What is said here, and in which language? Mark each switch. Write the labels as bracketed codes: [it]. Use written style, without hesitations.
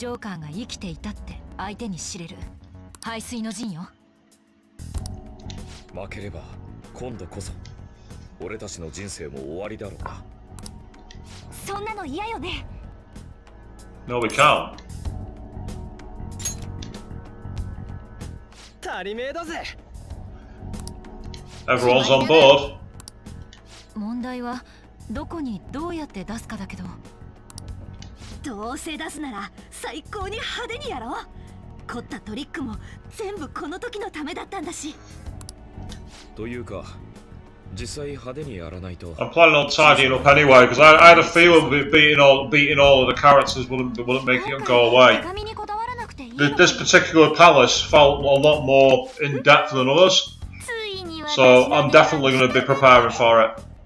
[en] He attacked Yuji on and Ryuji shot it back at him, which was kind of cool. [ja] 負ければ今度こそ俺たちの人生も終わりだろうな。そんなの嫌よね。 [en] No, we can't。 [ja] 足りめえだぜ。 [en] Everyone's on board。 [ja] 問題はどこにどうやって出すかだけど、どうせ出すなら最高に派手にやろう。凝ったトリックも全部この時のためだったんだし。というか実際派手にやらないと。 [en] I'm planning on tidying up anyway because I had a feeling beating all of the characters wouldn't make it go away. This particular palace felt a lot more in depth than others, so I'm definitely going to be preparing for it.